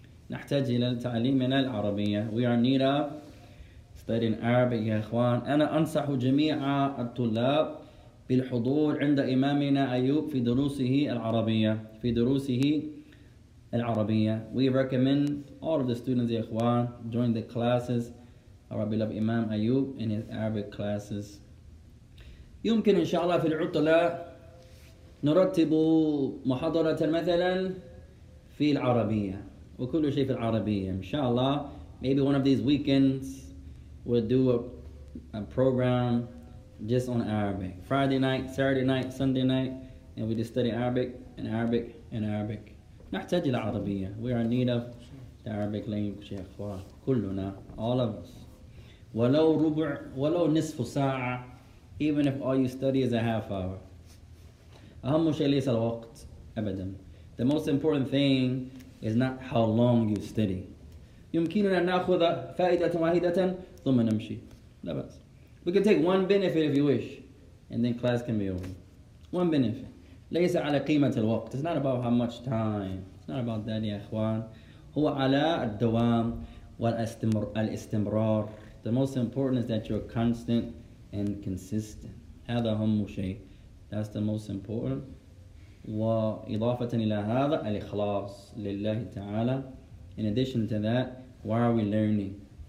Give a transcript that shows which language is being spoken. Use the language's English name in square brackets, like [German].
[Arabic] نحتاج إلى التعليم من العربية. [English] We are need up studying Arabic, يا إخوان. [Arabic] أنا أنصح جميع الطلاب بالحضور عند إمامنا أيوب في دروسه العربية. في دروسه العربية. [English] We recommend all of the students, يا إخوان, join the classes of our beloved Imam Ayub in his Arabic classes. [Arabic] يمكن إن شاء الله في العطلة نرتب محاضرة مثلا في العربية. وكل شيء في العربية إن شاء الله. [English] Maybe one of these weekends we'll do a program just on Arabic. Friday night, Saturday night, Sunday night, and we just study Arabic and Arabic and Arabic. [Arabic] نحتاج إلى عربية. [English] We are in need of the Arabic language, يا أخوة. [Arabic] كلنا. [English] All of us. [Arabic] ولو ربع ولو نصف ساعة. [English] Even if all you study is a half hour. [Arabic] أهم شيء ليس الوقت أبدا. [English] The most important thing is not how long you study. [Arabic] يمكننا أن نأخذ فائدة واحدة ثم نمشي. لا بأس. [English] We can take one benefit if you wish, and then class can be over. One benefit. [Arabic] ليس على قيمة الوقت. [English] It's not about how much time. It's not about that, يا إخوان. [Arabic] هو على الدوام والاستمرار. [English] The most important is that you're constant and consistent. [Arabic] هذا أهم شيء. [English] That's the most important. [Arabic] وإضافة إلى هذا الإخلاص لله تعالى. [English] In addition to that, why are we learning?